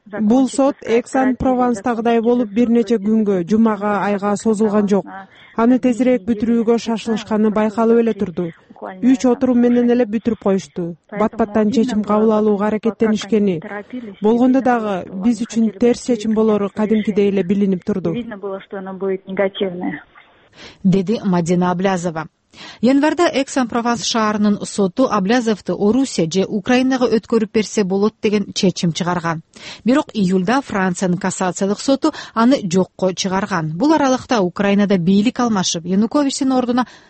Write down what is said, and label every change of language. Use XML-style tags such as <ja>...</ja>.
<ky>Бул сот Эксан Провансдагыдай болуп бир нече күнгө, жумага, айга созулган жок. Аны тезирээк бүтүрүүгө шашылышканы байкалып эле турду. 3 отурум менен эле бүтүрүп коюшту. Батпаттан чечим кабыл алууга аракеттенишкени болгондо дагы биз үчүн терс чечим болору кадимкидей эле билинип турду.</ky> <ru>Видно было, что она будет негативная.</ru> <ky>Деди Мадина Аблязова. Январда Экс-ан-Прованс шаарынын соту Аблязовду Орусия же Украинага өткөрүп берсе болот деген чечим чыгарган. Бирок июлда Франциянын кассациялык соту аны жокко чыгарган. Бул аралыкта Украинада бийлик алмашып, Янукович орнуна</ky>